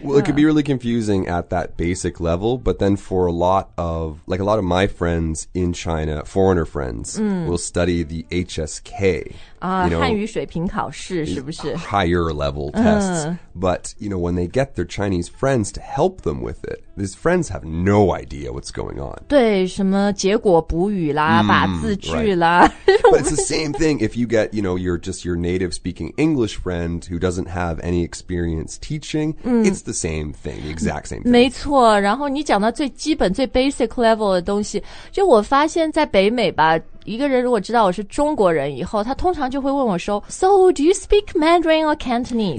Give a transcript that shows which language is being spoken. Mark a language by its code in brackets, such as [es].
[en] well it could be really confusing at that basic level but then for a lot of like a lot of my friends in China foreigner friends、will study the HSK [zh] you know, 汉语水平考试是不是 [en] higher level tests、but you know when they get their Chinese friends to help them with it these friends have no idea what's going on [zh] 对什么结果补语啦把字句啦、 [en] right. but it's the same thing if you get you know you're just your native speaking English friend who doesn't have any experience teaching、it's the same thing the exact same thing [zh] 没错然后你讲到最基本最 [en] basic level [zh] 的东西就我发现在北美吧一个人如果知道我是中国人以后他通常就会问我说 [en] So do you speak Mandarin or Cantonese?